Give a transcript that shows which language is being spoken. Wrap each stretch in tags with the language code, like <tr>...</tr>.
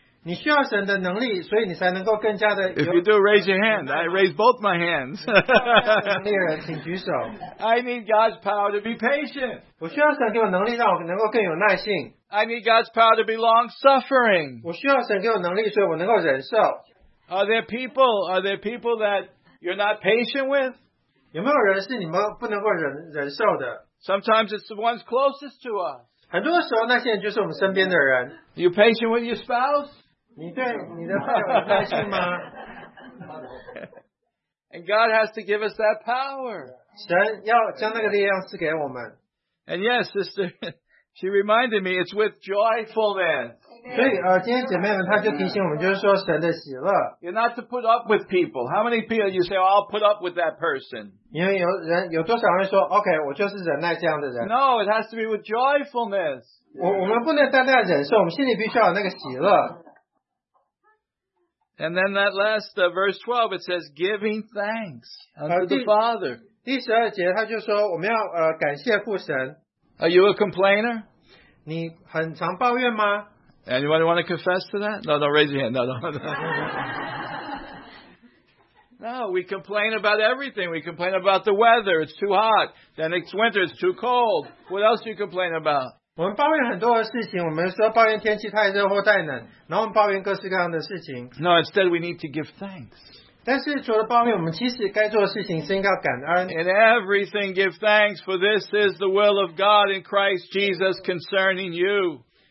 <zh>你需要神的能力，所以你才能够更加的。</zh> <en>If you do, raise your hand. I raise both my hands.</en> <zh>能力人，请举手。</zh> <en>I need God's power to be patient.</en> <zh>我需要神给我能力，让我能够更有耐性。</zh> <en>I need God's power to be long-suffering.</en> <zh>我需要神给我能力，所以我能够忍受。</zh> <en>Are there people? Are there people that you're not patient with?</en> <zh>有没有人是你们不能够忍受的？</zh> <en>Sometimes it's the ones closest to us.</en> <zh>很多时候那些人就是我们身边的人。</zh> <en>Are you patient with your spouse?</en> <zh>你对你的伴侣耐心吗？</zh> <en>And God has to give us that power.</en> <zh>神要将那个力量赐给我们。</zh> <en>And yes, sister, she reminded me it's with joyfulness.</en> <zh>所以今天姐妹们她就提醒我们，就是说神的喜乐。</zh> <en>You're not to put up with people. How many people you say, oh, I'll put up with that person?</en> <zh>因为有人有多少人说 ，OK， 我就是忍耐这样的人。</zh> <en>No, it has to be with joyfulness.</en> <zh>我们不能单单忍受，我们心里必须要有那个喜乐。</zh> <en>And then that last verse 12, it says, giving thanks unto the Father.</en> <zh>第十二节他就说我们要感谢父神。</zh> <en>Are you a complainer?</en> <zh>你很常抱怨吗？</zh> <en>Anyone want to confess to that? No, don't raise your hand. No. No, we complain about everything. We complain about the weather. It's too hot. Then it's winter. It's too cold. What else do you complain about?</en> <zh>我们抱怨很多的事情，我们说抱怨天气太热或太冷，然后我们抱怨各式各样的事情。</zh> <en>No, instead we need to give thanks.</en> <zh>但是除了抱怨，我们其实该做的事情是应该要感恩。</zh> <en>In everything give thanks, for this is the will of God in Christ Jesus concerning you.</en>